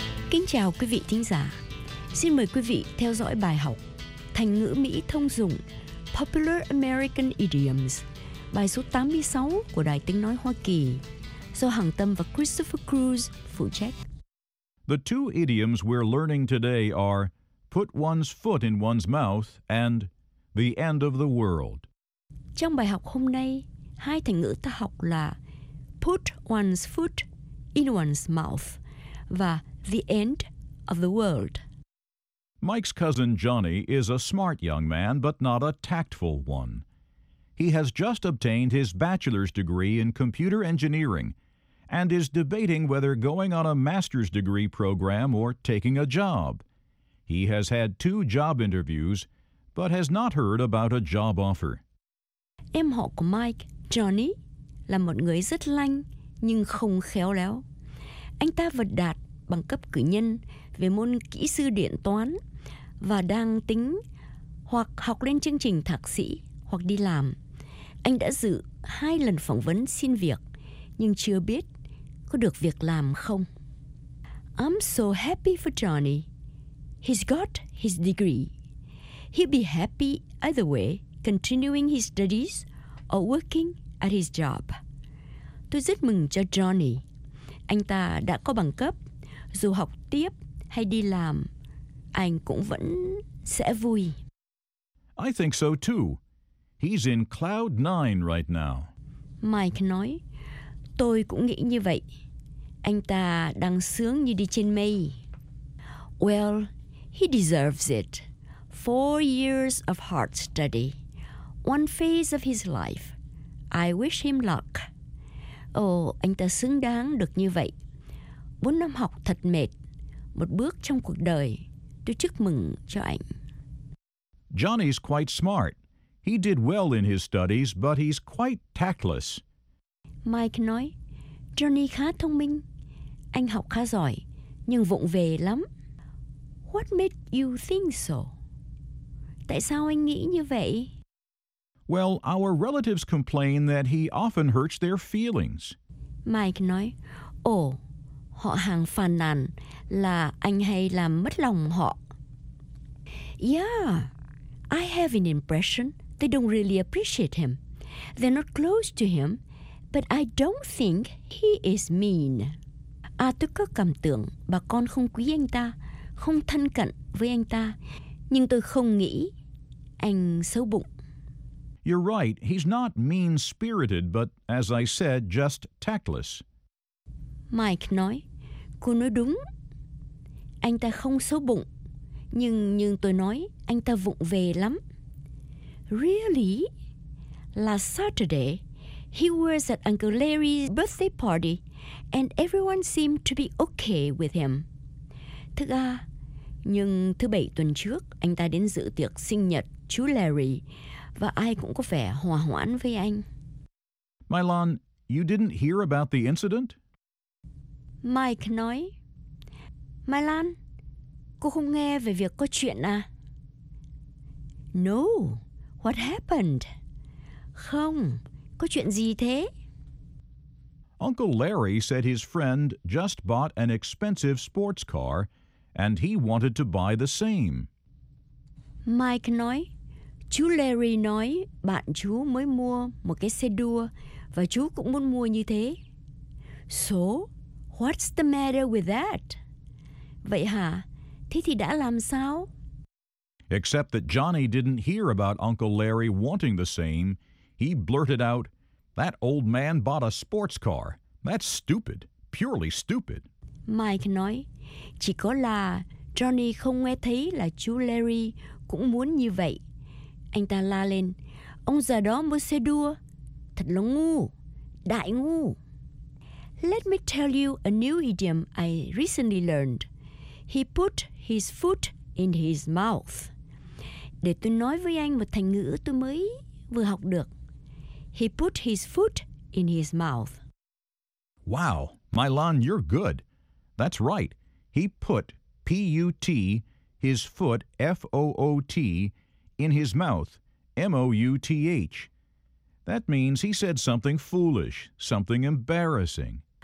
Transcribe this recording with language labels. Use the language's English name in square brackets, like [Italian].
[Vietnamese] Kính chào quý vị thính giả. Xin mời quý vị theo dõi bài học thành ngữ Mỹ thông dụng [English] Popular American Idioms, [Vietnamese] bài số 86 của Đài Tiếng Nói Hoa Kỳ. So Hằng Tâm và Christopher Cruz phụ trách. [English] The two idioms we're learning today are put one's foot in one's mouth and the end of the world. [Vietnamese] Trong bài học hôm nay, hai thành ngữ ta học là [English] put one's foot in one's mouth [Vietnamese] và [English] the end of the world. Mike's cousin Johnny is a smart young man, but not a tactful one. He has just obtained his bachelor's degree in computer engineering and is debating whether going on a master's degree program or taking a job. He has had two job interviews, but has not heard about a job offer. [Vietnamese] Em họ của Mike, Johnny, là một người rất lanh nhưng không khéo léo. Anh ta vừa đạt bằng cấp cử nhân về môn kỹ sư điện toán và đang tính hoặc học lên chương trình thạc sĩ hoặc đi làm. anh đã dự 2 lần phỏng vấn xin việc, nhưng chưa biết có được việc làm không. [English] I'm so happy for Johnny. He's got his degree. He'll be happy either way, continuing his studies or working at his job. [Vietnamese] Tôi rất mừng cho Johnny. Anh ta đã có bằng cấp, dù học tiếp hay đi làm, anh cũng vẫn sẽ vui. [English] I think so too. He's in cloud 9 right now. [Vietnamese] Mike nói, tôi cũng nghĩ như vậy. Anh ta đang sướng như đi trên mây. [English] Well, he deserves it. 4 years of hard study. One phase of his life. I wish him luck. [Vietnamese] Anh ta xứng đáng được như vậy. 4 năm học thật mệt. Một bước trong cuộc đời. Tôi chúc mừng cho anh. [English] Johnny's quite smart. He did well in his studies, but he's quite tactless. [Vietnamese] Mike nói, Johnny khá thông minh. Anh học khá giỏi, nhưng vụng về lắm. [English] What made you think so? [Vietnamese] Tại sao anh nghĩ như vậy? [English] Well, our relatives complain that he often hurts their feelings. [Vietnamese] Mike nói, họ hàng phàn nàn là anh hay làm mất lòng họ. [English] Yeah, I have an impression they don't really appreciate him. They're not close to him, but I don't think he is mean. [Vietnamese] Tôi có cảm tưởng bà con không quý anh ta, không thân cận với anh ta, nhưng tôi không nghĩ anh xấu bụng. [English] You're right, he's not mean-spirited, but as I said, just tactless. [Vietnamese] Mike nói, cô nói đúng. Anh ta không xấu bụng, nhưng tôi nói anh ta vụng về lắm. [English] Really? Last Saturday, he was at Uncle Larry's birthday party, and everyone seemed to be okay with him. [Vietnamese] Nhưng thứ bảy tuần trước, anh ta đến dự tiệc sinh nhật chú Larry, và ai cũng có vẻ hòa hoãn với anh. [English] Mylon, you didn't hear about the incident? [Vietnamese] Mike nói, Mylon, cô không nghe về việc có chuyện à? [English] No, what happened? [Vietnamese] Không, có chuyện gì thế? [English] Uncle Larry said his friend just bought an expensive sports car and he wanted to buy the same. [Vietnamese] Mike nói, chú Larry nói bạn chú mới mua một cái xe đua và chú cũng muốn mua như thế. [English] So, what's the matter with that? [Vietnamese] Vậy hả? Thế thì đã làm sao? [English] Except that Johnny didn't hear about Uncle Larry wanting the same. He blurted out, that old man bought a sports car. That's stupid. Purely stupid. [Vietnamese] Mike nói, chỉ có là Johnny không nghe thấy là chú Larry cũng muốn như vậy. Anh ta la lên, ông già đó mua xe đua. Thật là ngu, đại ngu. [English] Let me tell you a new idiom I recently learned. He put his foot in his mouth. [Vietnamese] Để tôi nói với anh một thành ngữ tôi mới vừa học được. [English] He put his foot in his mouth. Wow, Mylon, you're good. That's right. He put, P-U-T, his foot, F-O-O-T, in his mouth, M-O-U-T-H. That means he said something foolish, something embarrassing.